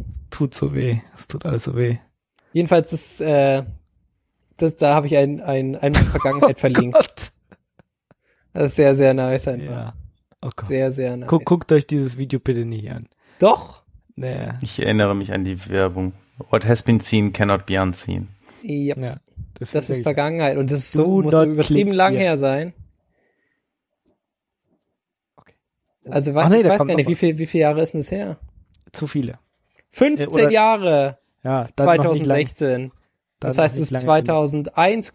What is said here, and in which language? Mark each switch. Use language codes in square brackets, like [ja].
[de] Tut so weh. Es tut alles so weh. Jedenfalls ist, da habe ich ein Vergangenheit verlinkt. Gott. Das ist sehr, sehr nice einfach. Ja. Oh Gott. Sehr, sehr nice. Guckt euch dieses Video bitte nicht an. Doch. Naja. Ich erinnere mich an die Werbung. [en] What has been seen cannot be unseen. [de] Ja. Ja, das ist Vergangenheit. Und das ist so, muss übertrieben lang her sein. Also, ich weiß gar nicht, wie viele Jahre ist denn das her? Zu viele. 15 oder, Jahre! Ja, 2016. Lang, das heißt, es ist 2001 lang.